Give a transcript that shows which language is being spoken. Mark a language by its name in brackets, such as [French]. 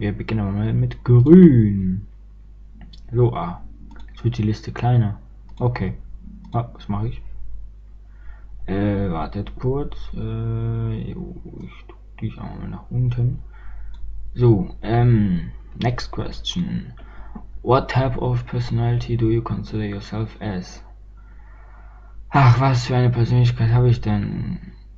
[German] Wir beginnen mal mit grün. Loa. Jetzt wird die Liste kleiner. Okay, ah, was mache ich? Wartet kurz. Jo, ich tue dich auch mal nach unten. [English] So, next question. What type of personality do you consider yourself as? [German] Ach, was für eine Persönlichkeit habe ich denn?